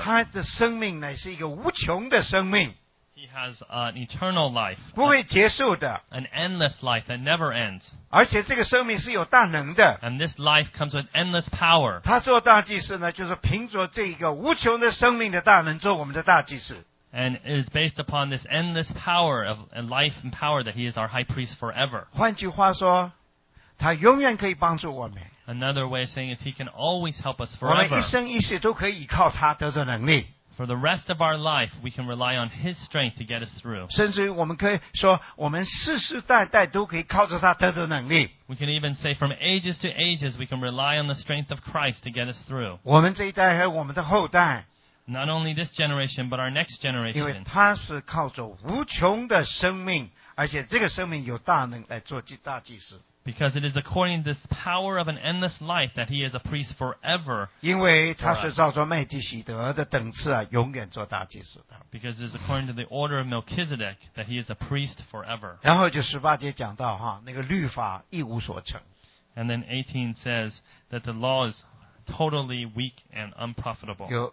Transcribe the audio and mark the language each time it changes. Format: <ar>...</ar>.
<zh>他的生命乃是一个无穷的生命,</zh> <en>he has an eternal life,</en> <zh>不会结束的,</zh> <en>an endless life that never ends.</en> <zh>而且这个生命是有大能的,</zh> <en>and this life comes with endless power.</en> <zh>他做大祭司呢, 就是凭着这一个无穷的生命的大能做我们的大祭司,</zh> <en>and it is based upon this endless power of life and power that he is our high priest forever.</en> <zh>换句话说, 他永远可以帮助我们,</zh> <en>another way of saying is he can always help us forever.</en> <zh>我们一生一世都可以依靠他得到能力,</zh> <en>for the rest of our life, we can rely on His strength to get us through.</en> <zh>甚至于我们可以说, 我们世世代代都可以靠着他得到能力。</zh> <en>We can even say from ages to ages, we can rely on the strength of Christ to get us through.</en> <zh>我们这一代和我们的后代,</zh> <en>not only this generation, but our next generation.</en> <zh>因为他是靠着无穷的生命, 而且这个生命有大能来做大祭司。</zh> <en>Because it is according to this power of an endless life that he is a priest forever.</en> <zh>因为他是照着麦基洗德的等次啊,</zh> <en>because it is according to the order of Melchizedek that he is a priest forever.</en> <zh>然后就18节讲到哈, 那个律法一无所成,</zh> <en>and then 18 says that the law is totally weak and unprofitable.</en>